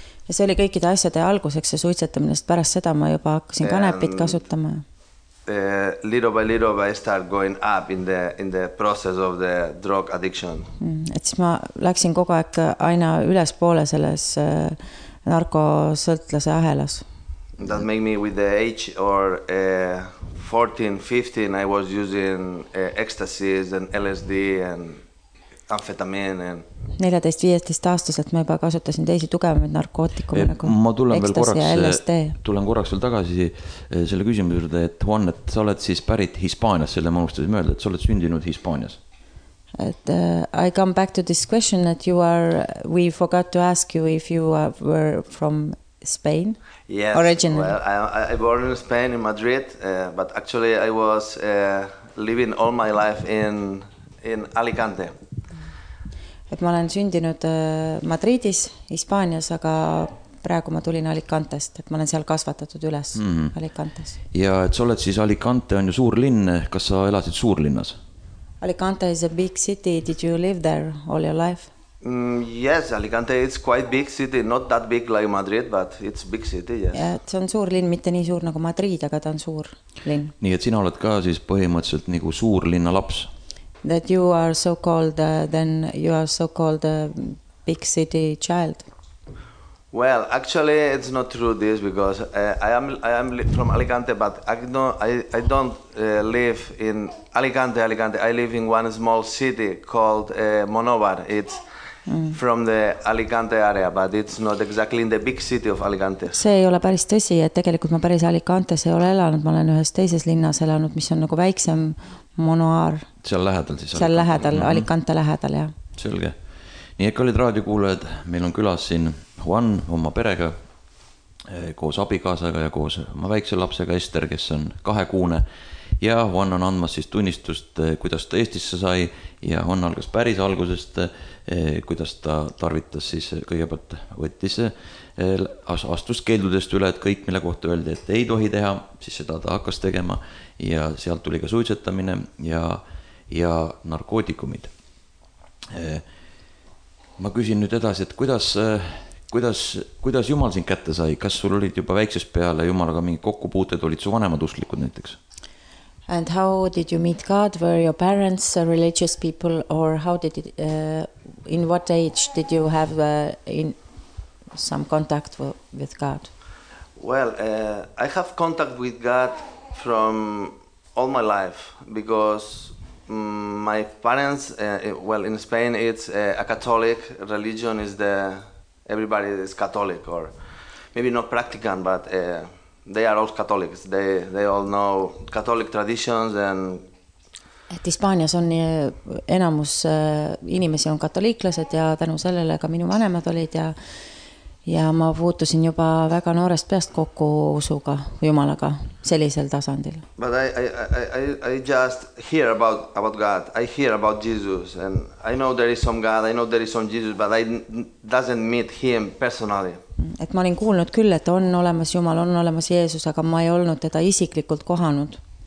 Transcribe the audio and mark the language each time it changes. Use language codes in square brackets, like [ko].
[et] ja see oli kõikide asjade alguseks ja suitsetamine, sest pärast seda ma juba hakkasin kanepit kasutama. [en] Little by little I start going up in the process of the drug addiction. [et] Et siis ma läksin kogu aeg aina üles poole selles narkosõltlase ahelas. [en] That make me with the age or 14, 15, I was using ecstasies and LSD and amfetamiine and [et] 14-15 aastaselt ma juba kasutasin teisi tugevamaid narkootikume nagu ma tulen veel korraks, LSD. Tulen korraks veel tagasi selle küsimuse juurde, et Juan, et sa oled siis pärit Hispaanias, selle ma unustasin mõelda, et sa oled sündinud Hispaanias. [en] Et, I come back to this question that you are, we forgot to ask you if you are, were from Spain. Yes, originally. Well, I born in Spain, in Madrid, but actually I was living all my life in Alicante. Et ma olen sündinud Madridis, Hispaanias, aga praegu ma tulin Alicantest, et ma olen seal kasvatatud üles Alicantes. Ja et sa oled siis, Alicante on ju suur linn, kas sa elasid suurlinnas? Alicante is a big city, did you live there all your life? Yes, Alicante is quite big city, not that big like Madrid, but it's big city, yes. [et] Ja, see on suur linn, mitte nii suur nagu Madrid, aga ta on suur linn. Nii, et sina oled ka siis põhimõtteliselt nagu suur linna laps. That you are so called, then you are so called a big city child. Well, actually it's not true this, because I am from Alicante, but I don't live in Alicante, I live in one small city called Monóvar, it's from the Alicante area, but it's not exactly in the big city of Alicante. See ei ole päris tõsi, et tegelikult ma päris Alicantes ei ole elanud, ma olen ühes teises linnas elanud, mis on nagu väiksem Monóvar. Seal lähedal siis. Seal lähedal, Alicante lähedal, jah. Selge. Nii, et olid raadiokuulajad, meil on külas siin Juan oma perega, koos abikaasaga ja koos oma väikse lapsega Ester, kes on 2-kuune. Ja Juan on andmas siis tunnistust, kuidas ta Eestisse sai ja Juan algas päris algusest, kuidas ta tarvitas siis kõigepealt võttis. Astus keeldudest üle, et kõik, mille kohta öeldi, et ei tohi teha, siis seda ta hakkas tegema ja sealt tuli ka suitsetamine ja narkootikumid. Ma küsin nüüd edasi, et kuidas Jumal siin kätte sai? Kas sul olid juba väikses peale Jumalaga mingi kokkupuuted, olid su vanemad usklikud näiteks? [en] And how did you meet God? Were your parents religious people or how did it, in what age did you have in some contact with God? Well, I have contact with God from all my life because my parents, well, in Spain it's a Catholic religion, is the everybody is Catholic, or maybe not practicing, but they are all Catholics. They all know Catholic traditions and. [et] Et Hispaanias on enamus inimesi on katoliiklased ja tänu sellele ka minu vanemad olid ja ma puutusin juba väga noorest peast kokku usuga Jumalaga sellisel tasandil. [en] But I just hear about God. I hear about Jesus and I know there is some God. I know there is some Jesus, but I doesn't meet him personally. [et] Et ma olin kuulnud küll, et on olemas Jumal, on olemas Jeesus, aga ma ei olnud teda isiklikult kohanud.